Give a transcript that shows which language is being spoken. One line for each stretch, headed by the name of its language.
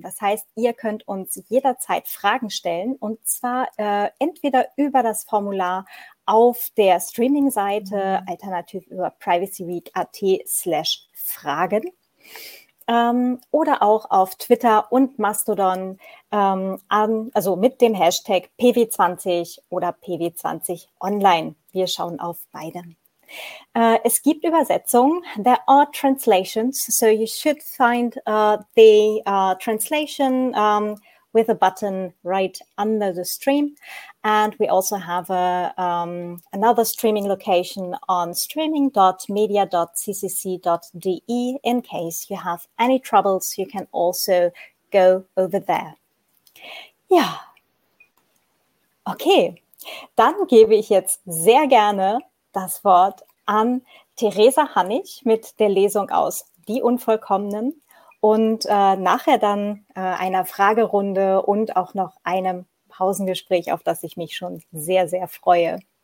German: Das heißt, ihr könnt uns jederzeit Fragen stellen und zwar entweder über das Formular auf der Streaming-Seite, alternativ über privacyweek.at/fragen. Oder auch auf Twitter und Mastodon, also mit dem Hashtag PW20 oder PW20 online. Wir schauen auf beide. Es gibt Übersetzungen.
English: There are translations, so you should find the translation with a button right under the stream. And we also have another streaming location on streaming.media.ccc.de. In case you have any troubles, you can also go over there.
German: Ja. Okay. Dann gebe ich jetzt sehr gerne das Wort an Theresa Hannig mit der Lesung aus Die Unvollkommenen. Und nachher dann einer Fragerunde und auch noch einem Pausengespräch, auf das ich mich schon sehr, sehr freue.